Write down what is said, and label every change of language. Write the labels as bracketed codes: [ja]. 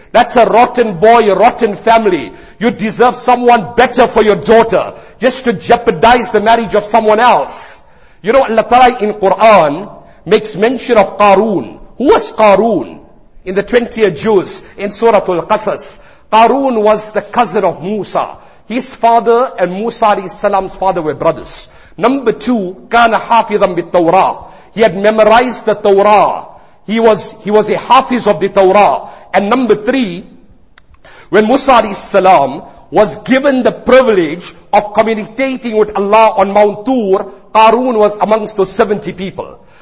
[en] That's a rotten boy, a rotten family. You deserve someone better for your daughter, just to jeopardize the marriage of someone else. You know, Allah Ta'ala in Quran makes mention of Qarun. Who was Qarun? In the 20th Jews, in Surah Al-Qasas, Qarun was the cousin of Musa. His father and Musa alayhi salam's father were brothers. Number two, [ar] كان حافظاً بالتوراة. [en] He had memorized the Torah. He was a hafiz of the Torah. And number three, when Musa alayhi salam was given the privilege of communicating with Allah on Mount Tur, Qarun was amongst those 70 people.